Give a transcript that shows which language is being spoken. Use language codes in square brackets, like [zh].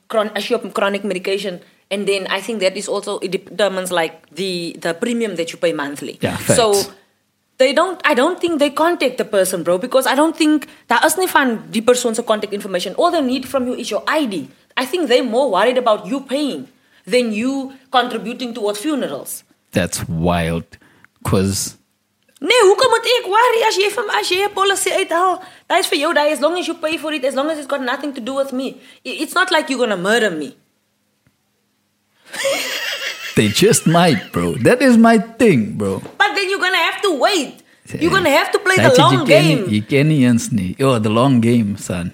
[en] Chronic medication? And then I think that is also, it determines like the premium that you pay monthly. Yeah, facts. So I don't think they contact the person, bro, because I don't think that us ni find the person's contact information. All they need from you is your ID. I think they're more worried about you paying than you contributing towards funerals. That's wild. Because... [af] Nee, hoe kom het ek worry as jy van as jy 'n policy uithaal? [en] That is for you, as long as you pay for it, as long as it's got nothing to do with me. It's not like you're going to murder me. They just might, bro. That is my thing, bro. But then you're going to have to wait. You're going to have to play the long game. You can't even sneak. Oh, the long game, son.